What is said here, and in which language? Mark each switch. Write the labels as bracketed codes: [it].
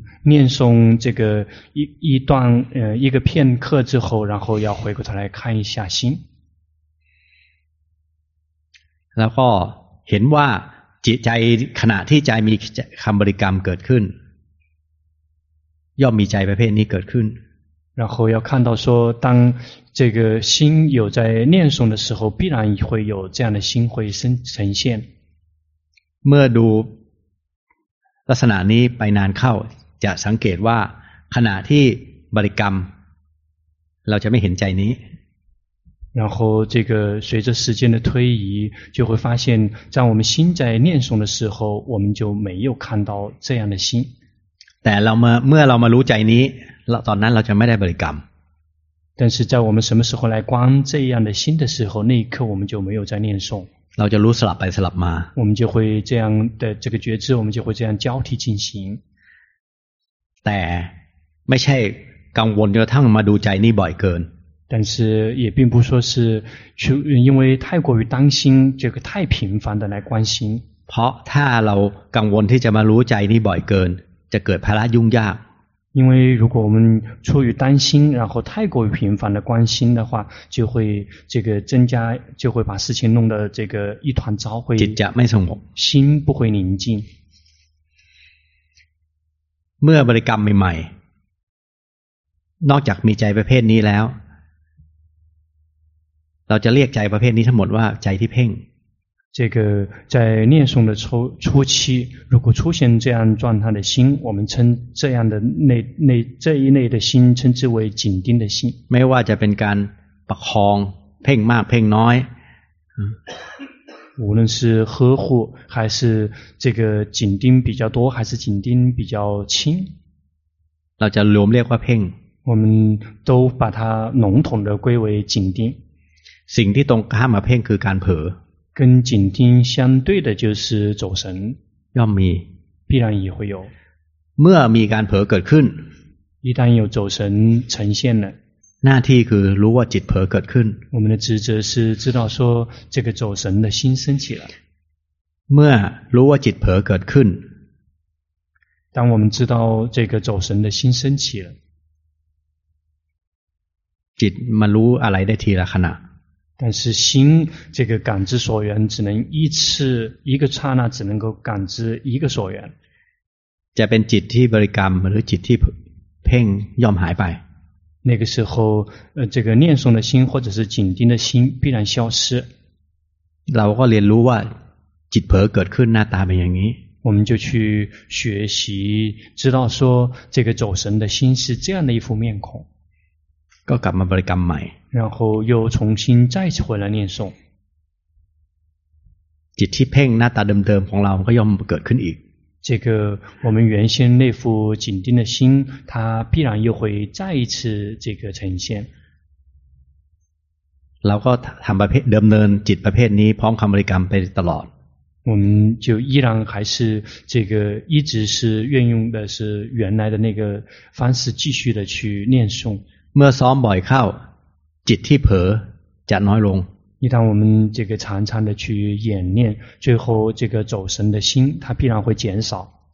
[zh] 念诵这个 一段一个片刻之后然后要回过头来看一下心然后 [th] เห็นว่าจิตใจขณะที่ใจมีคำบริกรรมเกิดขึ้นย่อมมีใจประเภทนี้เกิดขึ้น [zh] 然后要看到说当这个心有在念诵的时候必然会有这样的心会呈现 [th] เมื่อดูลักษณะนี้ไปนานเข้าจะสังเกตว่าขณะที่บริกรรมเราจะไม่เห็นใจนี้ [zh] 然后这个随着时间的推移就会发现在我们心在念诵的时候我们就没有看到这样的心 [th] แต่เมื่อเรามารู้ใจนี้ตอนนั้นเราจะไม่ได้บริกรรม [zh] 但是在我们什么时候来观这样的心的时候那一刻我们就没有在念诵 [th] เราจะรู้สลับไปสลับมา [zh] 我们就会这样的这个觉知我们就会这样交替进行 [th] แต่ไม่ใช่กังวลจนกระทั่งมาดูใจนี่บ่อยเกิน [zh] 但是也并不说是因为太过于担心这个太频繁的来关心 [th] เพราะถ้าเรากังวลที่จะมารู้ใจนี้บ่อยเกินจะเกิดภาระยุ่งยาก [zh] 因为如果我们出于担心然后太过于频繁的关心的话就会这个增加就会把事情弄得这个一团糟会 [th] จิตจะไม่สงบ [zh] 心不会宁静 [th] เมื่อบริกรรมใหม่ๆนอกจากมีใจประเภทนี้แล้วเราจะเรียกใจประเภทนี้ทั้งหมดว่าใจที่เพ่ง [zh] 这个在念诵的 初期如果出现这样状态的心我们称这样的内这一类的心称之为紧盯的心 [th] ไม่ว่าจะเป็นการประคองเพ่งมากเพ่งน้อย [zh] 无论是呵护还是这个紧盯比较多还是紧盯比较轻 [th] เราจะรวมเรียกว่าเพ่ง [zh] 我们都把它笼统的归为紧盯 [th] สิ่งที่ตรงข้ามมาเพ่งคือการเผลอ [zh] 跟紧盯相对的就是走神要 [th] มี [zh] 必然也会有 [th] เมื่อมีการเผลอเกิดขึ้น [zh] 一旦有走神呈现了 [th] หน้าที่คือรู้ว่าจิตเผลอเกิดขึ้น [zh] 我们的职责是知道说这个走神的心升起了 [th] เมื่อรู้ว่าจิตเผลอเกิดขึ้น [zh] 当我们知道这个走神的心升起了 [th] จิตมารู้อะไรได้ทีละขณะ [zh] 但是心这个感知所缘只能一次一个刹那只能够感知一个所缘 [th] จะเป็นจิตที่บริกรรมหรือจิตที่เพ่งย่อมหายไป [zh] 那个时候这个念诵的心或者是紧盯的心必然消失 [th] เราก็เรียนรู้ว่าจิตเผลอเกิดขึ้นหน้าตาเป็นอย่างนี้ [zh] 我们就去学习知道说这个走神的心是这样的一副面孔 [th] ก็กลับมาบริกรรมใหม่ [zh] 然后又重新再次回来念诵 [th] จิตที่เพ่งหน้าตาเดิมๆของเราก็ย่อมเกิดขึ้นอีก [zh] 这个我们原先那副紧盯的心它必然又会再一次这个呈现 [th] เราก็ทำประเภทเดิมเนินจิตประเภทนี้พร้อมคำบริกรรมไปตลอด [zh] 我们就依然还是这个一直是运用的是原来的那个方式继续的去念诵 [th] เมื่อซ้อมบ่อยเข้าจิตที่เผลอจะน้อยลง [zh] 一旦我们这个常常的去演练最后这个走神的心它必然会减少